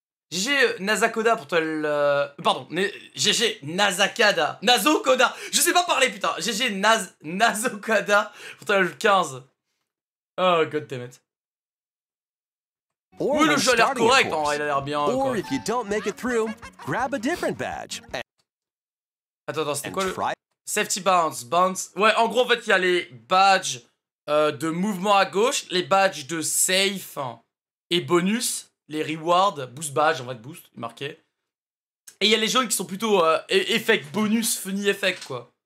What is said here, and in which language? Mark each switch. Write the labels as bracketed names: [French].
[French] GG Nazakoda pour toi le... Pardon, GG Nazakada. Nazokoda. Je sais pas parler putain. GG Nazokoda pour toi le 15. [English] Oh goddammit. [French] Oui, le jeu a l'air correct, en vrai, il a l'air bien. [English] Or, if you don't make it through, grab a different badge. [French] Attends, c'était quoi le... Safety bounce, bounce... Ouais, en gros, en fait, il y a les badges de mouvement à gauche, les badges de safe et bonus, les rewards, boost badge, en fait, boost, marqué. Et il y a les jaunes qui sont plutôt effect bonus, funny effect, quoi.